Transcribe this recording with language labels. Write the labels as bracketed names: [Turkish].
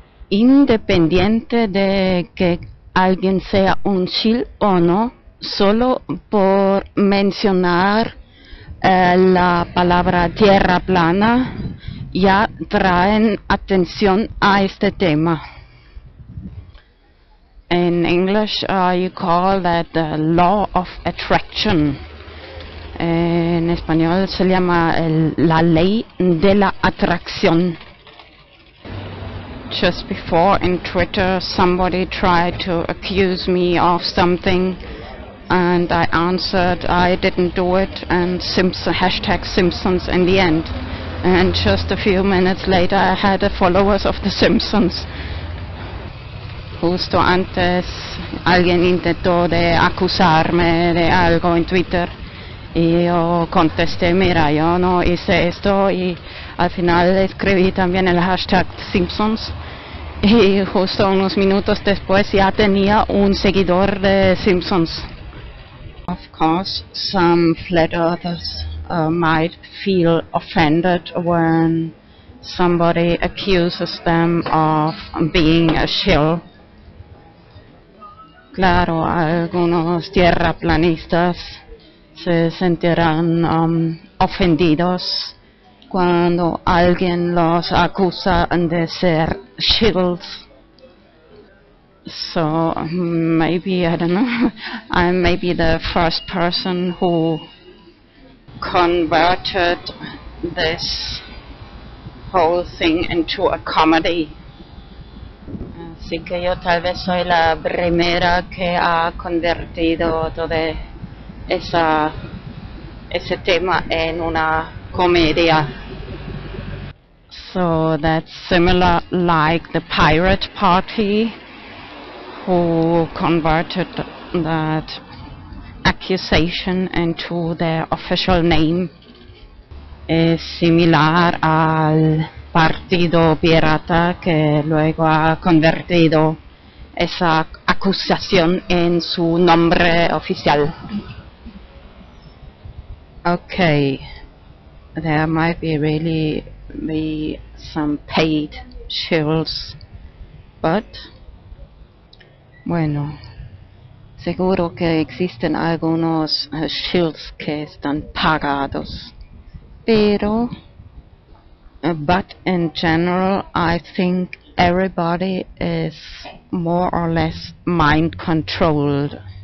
[Spanish] Independiente de que alguien sea un shill o no, solo por mencionar la palabra tierra plana, ya traen atención a este tema. [English] In English, you call that the law of attraction. [Spanish] En español se llama la ley de la atracción. [English] Just before in Twitter, somebody tried to accuse me of something and I answered I didn't do it and hashtag Simpsons in the end. And just a few minutes later, I had a followers of the Simpsons. [Spanish] Justo antes, alguien intentó de acusarme de algo en Twitter y yo contesté, mira, yo no hice esto, y al final escribí también el hashtag Simpsons. Y justo unos minutos después ya tenía un seguidor de Simpsons. [English] Of course, some flat earthers might feel offended when somebody accuses them of being a shill. [Spanish] Claro, algunos tierraplanistas se sentirán ofendidos cuando alguien los acusa de ser shills. [English] So maybe, I don't know, I may be the first person who converted this whole thing into a comedy. [Spanish] Así que yo tal vez soy la primera que ha convertido todo ese tema en una comedia. [English] So that's similar like the pirate party who converted that accusation into their official name. [Spanish] Es similar al partido pirata que luego ha convertido esa acusación en su nombre oficial. [English] Okay, there might be really be some paid shills, but [Spanish] bueno, Seguro que existen algunos shills que están pagados. Pero, [English] but in general, I think everybody is more or less mind controlled.